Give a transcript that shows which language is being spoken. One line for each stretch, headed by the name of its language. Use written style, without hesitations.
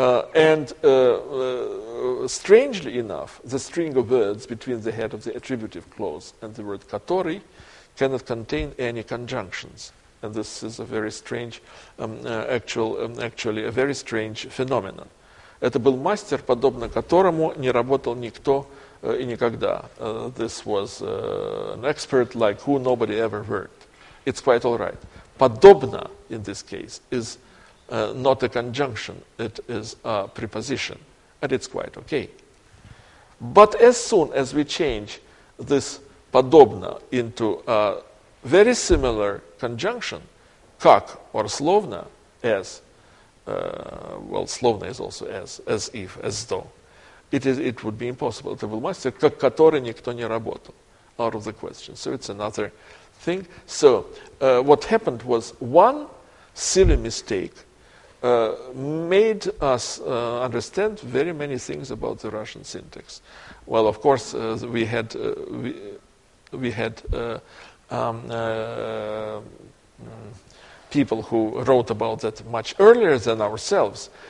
English: Strangely enough, the string of words between the head of the attributive clause and the word katori cannot contain any conjunctions. And this is a very strange, actually a very strange phenomenon.
Russian: Это был мастер, подобно которому не работал никто и никогда.
English: This was an expert like who nobody ever worked. It's quite all right. Подобно in this case is not a conjunction. It is a preposition. And it's quite okay. But as soon as we change this подобно into a very similar conjunction, как or словно, as, well, словно is also as if, as though. It would be impossible.
Russian: Это был мастер, как который никто не работал.
English: Out of the question. So it's another thing. So what happened was one silly mistake made us understand very many things about the Russian syntax. Well, of course, people who wrote about that much earlier than ourselves.